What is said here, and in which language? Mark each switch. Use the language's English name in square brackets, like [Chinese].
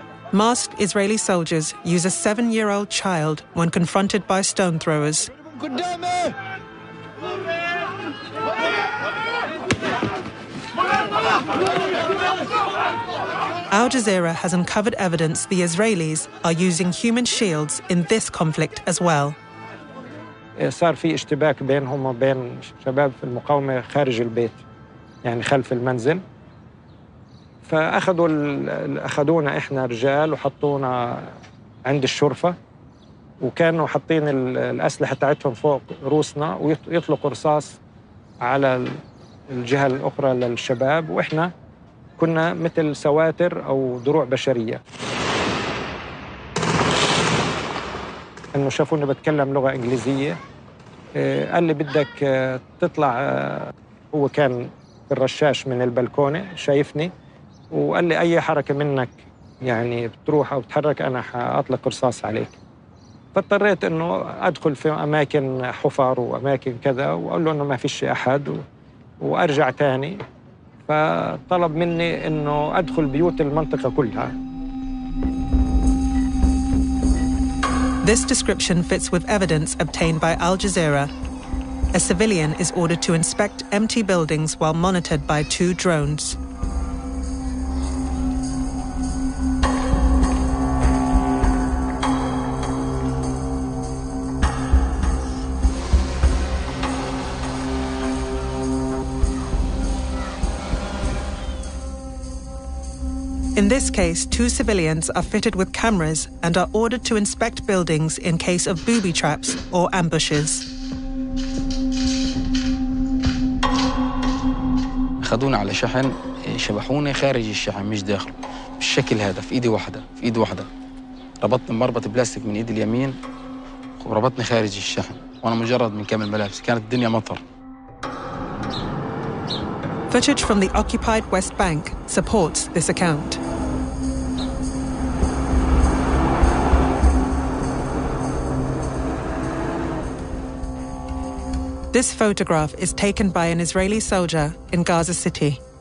[English] Masked Israeli soldiers use a 7-year-old child when confronted by stone throwers. Al Jazeera has uncovered evidence the Israelis are using human shields in this conflict as well. [Arabic] صار في اشتباك بينهم وبين شباب في المقاومة خارج البيت يعني خلف المنزل فأخذوا أخذونا إحنا رجال وحطونا عند الشرفة وكانوا حاطين الأسلحة تاعتهم فوق روسنا ويطلقوا رصاص على الجهة الأخرى للشباب وإحنا كنا مثل سواتر أو دروع بشرية إنه شافوني بتكلم لغة إنجليزية قال لي بدك تطلع هو كان الرشاش من البلكونة شايفني وقال لي أي حركة منك يعني بتروح أو بتحرك أنا حأطلق رصاص عليك فاضطريت أنه أدخل في أماكن حفر وأماكن كذا وأقول له أنه ما فيش أحد وأرجع تاني فطلب مني أنه أدخل بيوت المنطقة كلها. [English] This description fits with evidence obtained by Al Jazeera. a civilian is ordered to inspect empty buildings while monitored by two drones. In this case, two civilians are fitted with cameras and are ordered to inspect buildings in case of booby traps or ambushes. [Arabic] خدونا على شحن شبحوني خارج الشحن مش داخله بالشكل هذا في ايدي واحده في ايد واحده ربطني بمربط بلاستيك من ايدي اليمين وربطني خارج الشحن وانا مجرد من كامل ملابسي كانت الدنيا مطر. [English] Footage from the occupied West Bank supports this account. This photograph is taken by an Israeli soldier in Gaza City.